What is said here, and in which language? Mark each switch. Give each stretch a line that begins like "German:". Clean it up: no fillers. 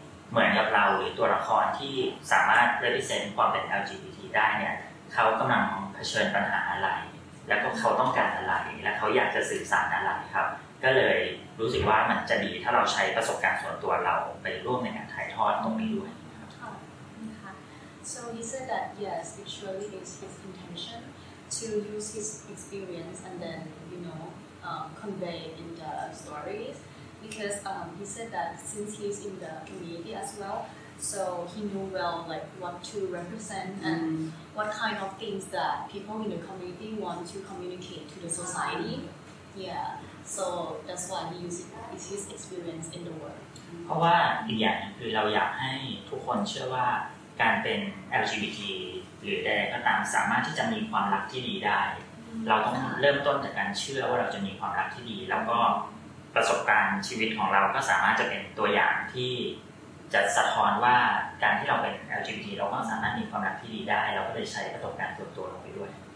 Thai: เหมือนกับเราหรือตัวละครที่สามารถรีพรีเซนต์ความเป็น LGBT ได้เนี่ยเขากำลังเผชิญปัญหาอะไรแล้วก็เขาต้องการอะไรและเขาอยากจะสื่อสารอะไรครับก็เลยรู้สึกว่ามันจะดีถ้าเราใช้ประสบการณ์ส่วนตัวเราไปร่วมในการถ่ายทอดตรงนี้ด้วย
English: ค่ะ So he said that yes it surely is his intention to use his experience and then you know convey in the stories because he said that since he's in the community as well so he knew well like what to represent and what kind of things that people in the community want to communicate to the society yeahso that's why he used it. His experience in the world
Thai: เพราะว่าอีกอย่างนึงคือเราอยากให้ทุกคนเชื่อว่าการเป็น LGBT หรือใดก็ตามสามารถที่จะมีความรักที่ดีได้เราต้องเริ่มต้นจากการเชื่อว่าเราจะมีความรักที่ดีแล้วก็ ประสบการณ์ชีวิตของเราก็สามารถจะเป็นตัวอย่างที่จะสะท้อนว่าการที่เราเป็น LGBT เราก็สามารถมีความรักที่ดีได้เราก็ได้ใช้ประสบการณ์ส่วนตัวลงไปด้วย